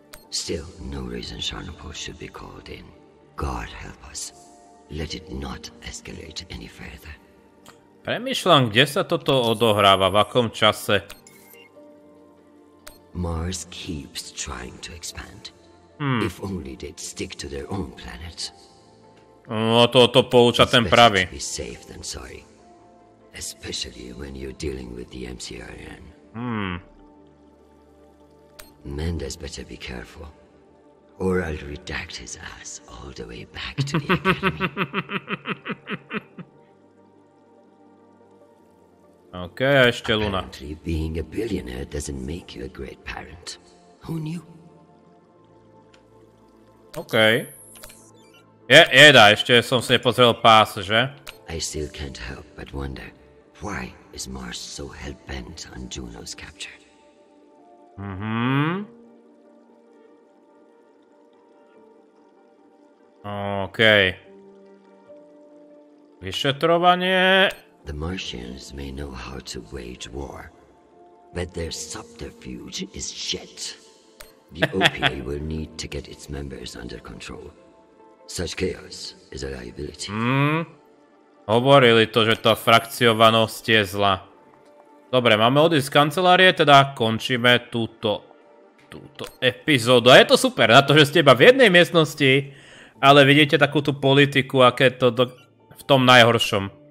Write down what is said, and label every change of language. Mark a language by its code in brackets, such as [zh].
[en] Still, no reason Sharnapol should be called in. God help us. Let it not escalate any further. [sk] Premýšľam, kde sa toto odohráva, v akom čase. [en] Mars keeps trying to expand. If only they'd stick to their own planet. [sk] No to pouča ten pravý. [en] It's better to be safe than sorry. Especially when you're dealing with the MCRN. Mendez better be careful. Or I'll redact his ass all the way back to the academy. [sk] Okay, a ešte Luna. [en] Apparently being a billionaire doesn't make you a great parent. Who knew? Okay. [sk] Jeda, ešte som si nepozrel pás, že? [en] I still can't help but wonder, why is Mars so hell-bent on Juno's capture? OK. [sk] Vyšetrovanie. [en] The Martians may know how to wage war, but their subterfuge is shit. The OPA will need to get its members under control. Such chaos is a liability. [sk] Hovorili to, že tá frakciovanosť je zlá. Dobre, máme odísť z kancelárie, teda končíme túto epizódu. A je to super na to, že ste iba v jednej miestnosti. Ale vidíte takú tú politiku, aké to v tom najhoršom.